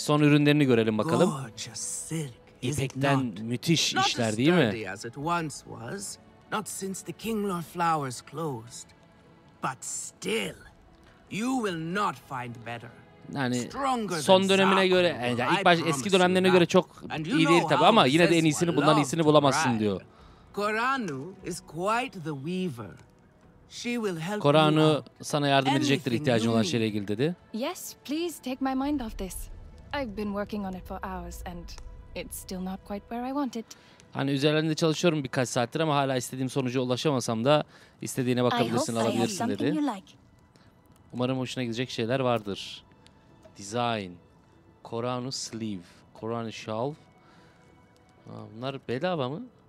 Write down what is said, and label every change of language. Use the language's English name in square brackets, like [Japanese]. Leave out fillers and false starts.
[Turkish] Son ürünlerini görelim bakalım. İpekten müthiş işler değil mi? [English] Not as it once was, not since the Kinglor flowers closed. But still, you will not find better. [Turkish] Yani son dönemine göre, yani ilk baş, eski dönemlerine göre çok iyi değil tabi ama yine de en iyisini, bundan iyisini bulamazsın diyor. [English] Koranu is quite the weaver. She will help [Turkish] Koranu sana yardım edecektir ihtiyacın olan şeyle ilgili dedi. [English] Yes, please take my mind off this. I've been working on it for hours and it's still not quite where I want it. [Turkish] Hani üzerinde çalışıyorum birkaç saattir ama hala istediğim sonuca ulaşamasam da istediğine bakabilirsin, alabilirsin dedi. Umarım hoşuna gidecek şeyler vardır. [English] Design. Koranu sleeve, Koranu shawl. [Turkish] Bunlar bedava mı?